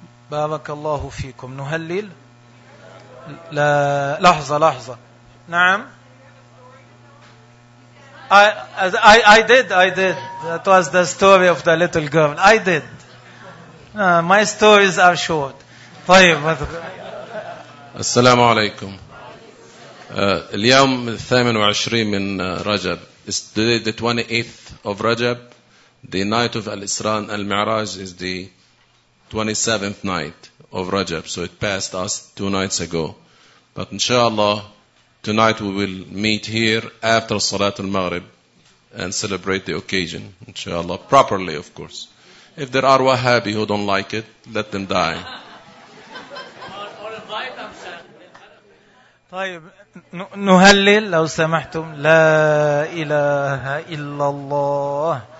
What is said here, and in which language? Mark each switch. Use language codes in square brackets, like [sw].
[ar] بارك الله فيكم نهلل لا لحظة نعم [en] I did that was the story of the little girl I did my stories are short [ar] طيب السلام عليكم اليوم 28 من رجب [en] is the 28th of Rajab the night of Al-Isra and Al-Mi'raj is the 27th night of Rajab so it passed us two nights ago but inshallah tonight we will meet here after Salat al-Maghrib and celebrate the occasion inshallah properly of course if there are Wahhabi who don't like it let them die [ar] طيب نهلل لو سمحتم لا إله إلا الله